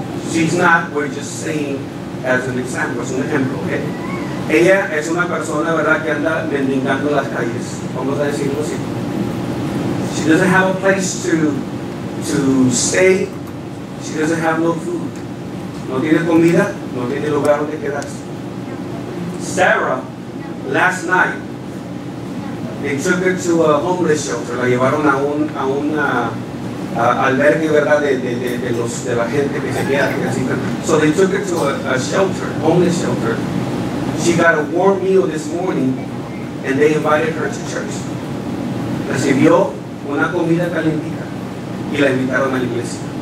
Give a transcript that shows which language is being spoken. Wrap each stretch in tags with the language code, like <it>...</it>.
<en>She's not, we're just saying as an example, as an ejemplo, okay?</en> <es>Ella es una persona, ¿verdad?, que anda mendigando las calles. Vamos a decirlo así.</es> <en>She doesn't have a place to stay. She doesn't have no food.</en> <es>No tiene comida, no tiene lugar donde quedarse.</es> <en>Sarah, last night, they took her to a homeless shelter.</en> <es>La llevaron a albergue, ¿verdad?, de la gente que se queda.</es> <en>So they took her to a shelter, homeless shelter. She got a warm meal this morning, and they invited her to church.</en> <es>Recibió una comida calentita, y la invitaron a la iglesia.</es>